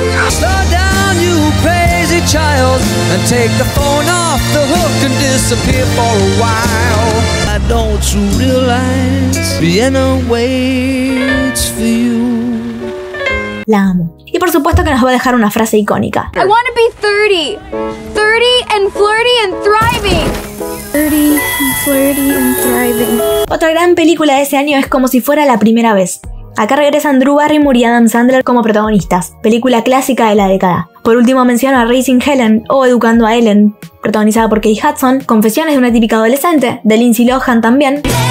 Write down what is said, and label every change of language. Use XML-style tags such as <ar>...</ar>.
<en>Slow down, you crazy child, and take the phone off the hook and disappear for a while. I don't realize Vienna waits for you.</en> <es>La amo. Y por supuesto que nos va a dejar una frase icónica.</es> <en>I want to be 30. 30 and flirty and thriving. 30 and thriving.</en> <es>Otra gran película de ese año es Como si fuera la primera vez. Acá regresan Drew Barrymore y Adam Sandler como protagonistas, película clásica de la década. Por último menciono a Raising Helen, o Educando a Ellen, protagonizada por Kate Hudson, Confesiones de una típica adolescente, de Lindsay Lohan también.</es>